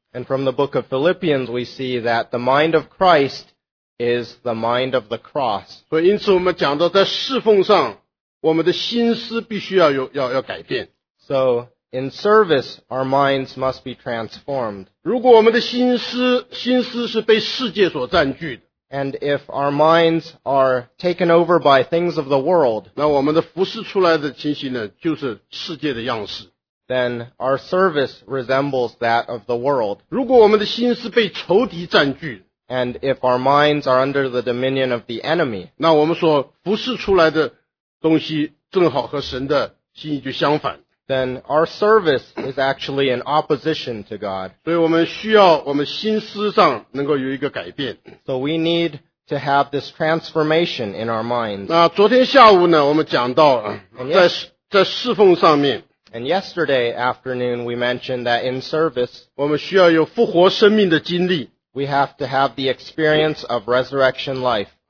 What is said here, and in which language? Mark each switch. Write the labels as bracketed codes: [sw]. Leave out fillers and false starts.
[en] And from the book of Philippians, we see that the mind of Christ is the mind of the cross. [zh] 所以因此我们讲到在侍奉上我们的心思必须要改变。 [en] So, in service, our minds must be transformed. [zh] 如果我们的心思是被世界所占据的。 [en] And if our minds are taken over by things of the world, [zh] 那我们的服侍出来的情形呢，就是世界的样式。 [en] Then our service resembles that of the world. [zh] 如果我们的心思被仇敌占据， [en] And if our minds are under the dominion of the enemy, [zh] 那我们所服侍出来的东西正好和神的心意就相反。 [en] Then our service is actually in opposition to God. [zh] 所以我们需要我们心思上能够有一个改变。 [en] So we need to have this transformation in our minds. [zh] 那昨天下午呢，我们讲到在侍奉上面。 [en] And yesterday afternoon we mentioned that in service, [zh] 我们需要有复活生命的经历。 [en] We have to have the experience of resurrection life.